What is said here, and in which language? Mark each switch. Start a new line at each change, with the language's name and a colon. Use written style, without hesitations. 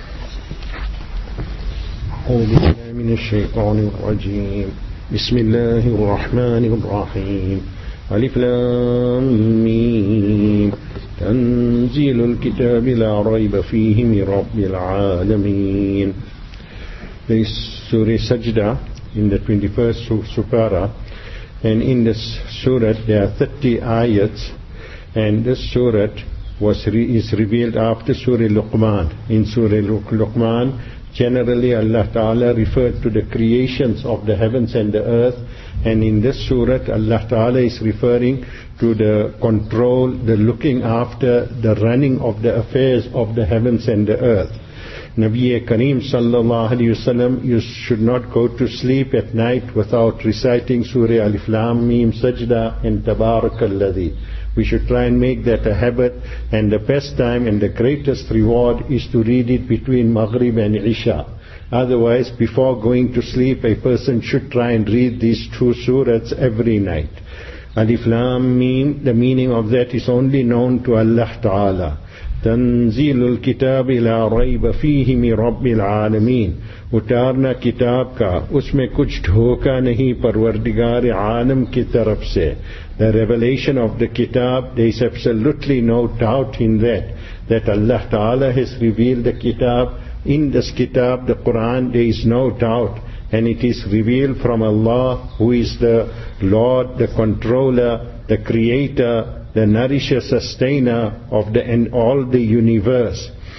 Arabic: أعوذ بالله من الشيطان الرجيم. بسم الله الرحمن الرحيم. ألف لام ميم. تنزيل الكتاب لا ريب فيه من رب العالمين.
English: There is Surah Sajda in the 21st Surah, and in this Surah there are 30 ayats, and this Surah is revealed after Surah Luqman. In Surah Luqman, generally Allah Ta'ala referred to the creations of the heavens and the earth, and in this Surah Allah Ta'ala is referring to the control, the looking after, the running of the affairs of the heavens and the earth. Nabi Kareem sallallahu alayhi wa sallam, you should not go to sleep at night without reciting Surah Alif Lam Mim Sajda and Tabarakalladhi. We should try and make that a habit, and the best time and the greatest reward is to read it between Maghrib and Isha. Otherwise, before going to sleep, a person should try and read these two surahs every night. Alif Lam Mim, the meaning of that is only known to Allah Ta'ala.
Arabic: تنزيل الكتاب لا ريب فيه من رب العالمين.
Urdu: اتارنا کتاب کا اس میں کچھ دھوکہ نہیں پروردگار عالم کی طرف سے.
English: The revelation of the kitab, there is absolutely no doubt in that, that Allah Ta'ala has revealed the kitab. In this kitab, the Quran, there is no doubt, and it is revealed from Allah, who is the Lord, the controller, the creator, the nourisher, sustainer of the and all the universe.